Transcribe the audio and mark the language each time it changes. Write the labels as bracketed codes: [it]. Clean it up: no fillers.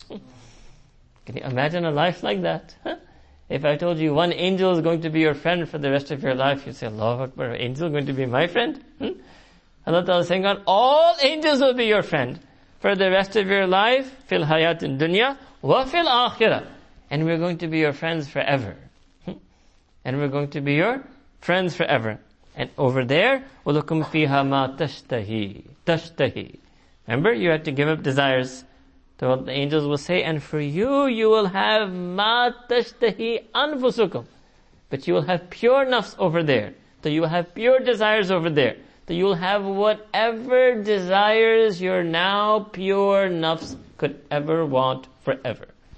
[en] Can you imagine a life like that? If I told you one angel is going to be your friend for the rest of your life, you'd say, Allahu Akbar, angel going to be my friend? Allah Ta'ala is saying, God, all angels will be your friend for the rest of your life, fil hayat in dunya, wa fil akhirah. And we're going to be your friends forever. And we're going to be your friends forever. And over there, [ar] وَلَكُمْ فِيهَا مَا تَشْتَهِي. [en] Remember, you had to give up desires. So what the angels will say, and for you, you will have [ar] مَا تَشْتَهِي أَنفُسُكُمْ. [en] But you will have pure nafs over there. So you will have pure desires over there. So you will have whatever desires your now pure nafs could ever want forever.